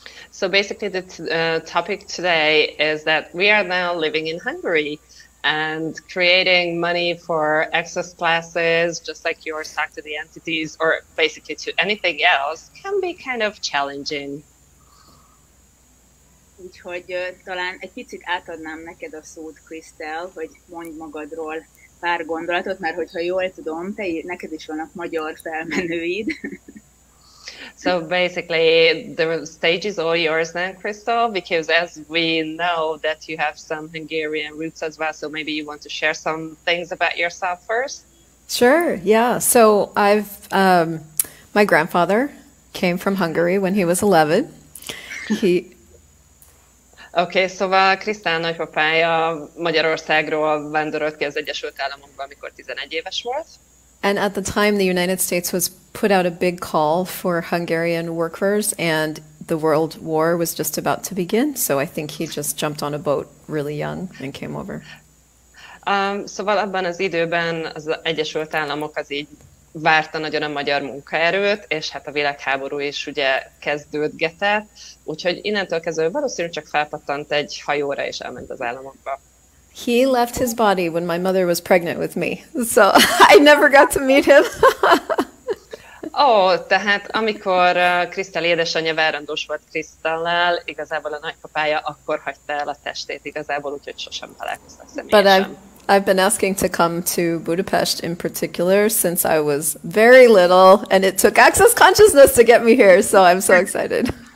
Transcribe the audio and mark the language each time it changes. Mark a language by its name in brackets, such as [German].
[English] So basically the topic today is that we are now living in Hungary and creating money for Access classes, just like your stock to the entities, or basically to anything else, can be kind of challenging. [Hungarian] Úgyhogy talán egy picit átadnám neked a szót, Krisztel, hogy mondj magadról pár gondolatot, mert hogyha jól tudom, neked is vannak magyar felmenőid. [English] So basically, the stage is all yours then, Crystal, because as we know that you have some Hungarian roots as well, so maybe you want to share some things about yourself first? Sure, yeah. So I've my grandfather came from Hungary when he was 11. [Hungarian] Okay, szóval Krisztál nagypapája Magyarországról vándorolt ki az Egyesült Államokba, amikor 11 éves volt. [English] And at the time, the United States was put out a big call for Hungarian workers, and the World War was just about to begin. So I think he just jumped on a boat really young and came over. [Hungarian] Szóval abban az időben az Egyesült Államok az így várta nagyon a magyar munkaerőt, és hát a világháború is ugye kezdődgetett, úgyhogy innentől kezdve valószínűleg csak felpattant egy hajóra és elment az államokba. [English] He left his body when my mother was pregnant with me, so I never got to meet him. [Hungarian] Tehát amikor Krisztel édesanyja várandós volt Krisztellel, igazából a nagypapája akkor hagyta el a testét, igazából úgyhogy sosem találkoztak személyesen. [English] But I've been asking to come to Budapest in particular since I was very little, and it took Access Consciousness to get me here, so I'm so excited.